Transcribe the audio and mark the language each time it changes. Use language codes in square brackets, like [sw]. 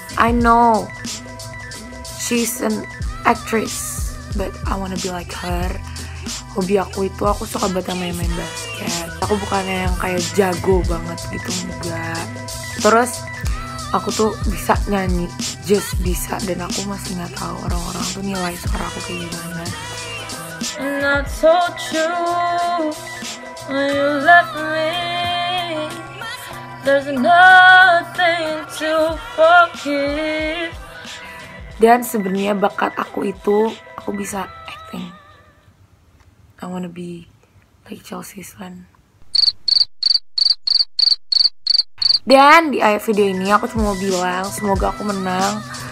[en] I know she's an actress, but I wanna be like her. [id] Hobi aku itu aku suka banget main-main basket. Aku bukannya yang kayak jago banget gitu, enggak. Terus aku tuh bisa nyanyi, just bisa, dan aku masih nggak tahu orang-orang tuh nilai suara aku kayak gimana. [en] Not so true when you left me. There's nothing to forgive. [id] Dan sebenarnya bakat aku itu aku bisa acting. [en] I wanna be like Chelsea Islan. [id] Dan di akhir video ini aku cuma mau bilang semoga aku menang.